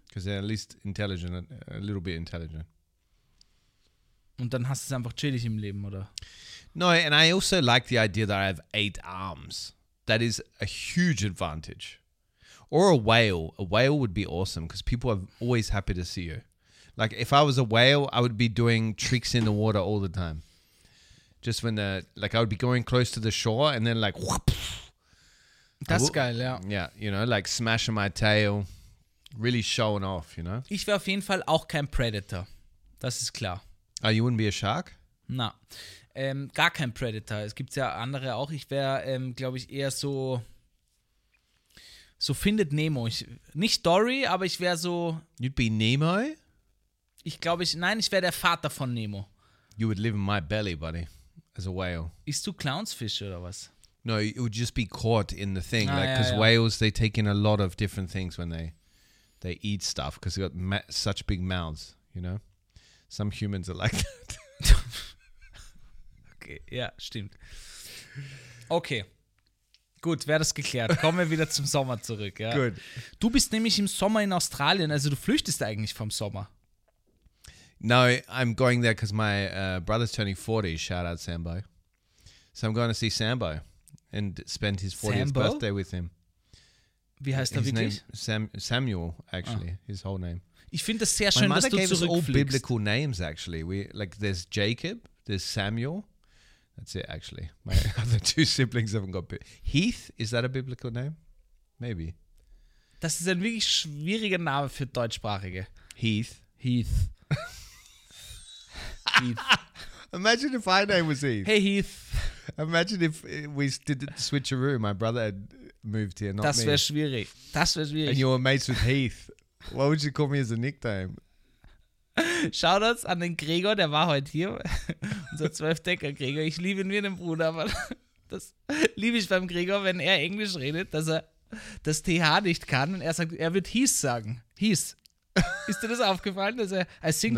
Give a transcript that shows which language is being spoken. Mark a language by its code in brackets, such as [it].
[en] Because they're at least intelligent, a little bit intelligent. [de] Und dann hast du es einfach chillig im Leben, oder? [en] No, and I also like the idea that I have 8 arms. That is a huge advantage. Or a whale. A whale would be awesome because people are always happy to see you. Like, if I was a whale, I would be doing tricks in the water all the time. Just when the, like, I would be going close to the shore and then, like, whoop. That's geil, yeah. Yeah, you know, like smashing my tail, really showing off, you know? [de] Ich wäre auf jeden Fall auch kein Predator. Das ist klar. [en] Oh, you wouldn't be a shark? [de] No. Gar kein Predator. Es gibt ja andere auch. Ich wäre, glaube ich, eher so Findet Nemo. Nicht Dory, aber ich wäre so. [en] You'd be Nemo? [de] Ich glaube, ich wäre der Vater von Nemo. [en] You would live in my belly, buddy. As a whale. [de] Isst du Clownsfisch oder was? [en] No, it would just be caught in the thing. Because whales, they take in a lot of different things when they eat stuff. Because they've got such big mouths, you know? Some humans are like that. [de] Okay, ja, stimmt. Okay. Gut, wäre das geklärt. Kommen wir wieder zum Sommer zurück. Ja. [en] Good. [de] Du bist nämlich im Sommer in Australien. Also du flüchtest eigentlich vom Sommer. [en] No, I'm going there because my brother's turning 40. Shout out, Sambo. So I'm going to see Sambo and spend his 40th Sambo? Birthday with him. [de] Wie heißt er wirklich? [en] Samuel, actually. Ah. His whole name. [de] Ich finde das sehr schön, dass du zurückfliegst. [en] My mother gave us all biblical names, actually. Like, there's Jacob, there's Samuel. That's it, actually. My other two siblings haven't got... Heath, is that a biblical name? Maybe. [de] Das ist ein wirklich schwieriger Name für Deutschsprachige. [en] Heath. Heath. Heath. Imagine if my name was Heath. Hey Heath. Imagine if we did the switcheroo. My brother had moved here, not [de] das me. Das wäre schwierig. Das wäre schwierig. [en] And you were mates with Heath. What would you call me as a nickname? [de] Shoutouts an den Gregor, der war heute hier. Unser Zwölfdecker Gregor. Ich liebe ihn wie einen Bruder, aber das liebe ich beim Gregor, wenn er Englisch redet, dass er das TH nicht kann. Und er sagt, er wird Heath sagen. Heath. Ist dir das aufgefallen, dass er, [en] I think